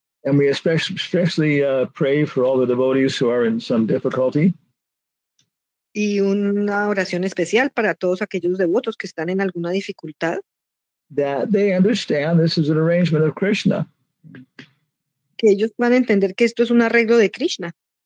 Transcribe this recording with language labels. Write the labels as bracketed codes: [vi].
[en] And we especially pray for all the devotees who are in some difficulty. [es] Y una oración especial para todos aquellos devotos que están en alguna dificultad. [en] That they understand this is an arrangement of Krishna. [es] que ellos puedan entender que esto es un arreglo de Krishna.